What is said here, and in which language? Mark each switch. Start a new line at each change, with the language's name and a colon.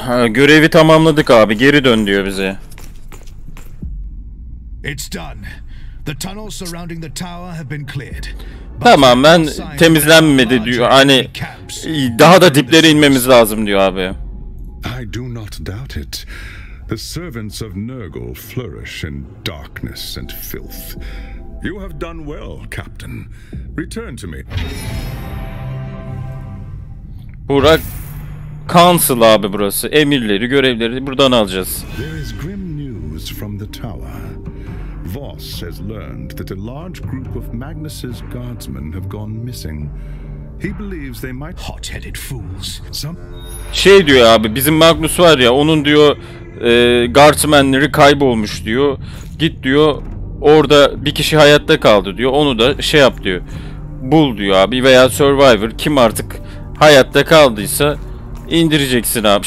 Turkish: Görevi tamamladık abi, geri dön diyor bize.
English: It's done. The tunnels surrounding the tower have been cleared.
Turkish: Tamamen temizlenmedi diyor. Hani daha da diplere inmemiz lazım diyor abi.
English: I do not doubt it. The servants of Nurgle flourish in darkness and filth. You have done well, Captain. Return to me.
Turkish: Burak Council abi burası. Emirleri, görevleri buradan alacağız.
English: Grim news from the tower. Voss has learned that a large group of Magnus's guardsmen have gone missing. He believes they might hot-headed fools.
Turkish: Şey diyor abi, bizim Magnus var ya, onun diyor guardsmenleri kaybolmuş diyor. Git diyor, orada bir kişi hayatta kaldı diyor. Onu da şey yap diyor. Bul diyor abi, veya survivor, kim artık hayatta kaldıysa İndireceksin abi.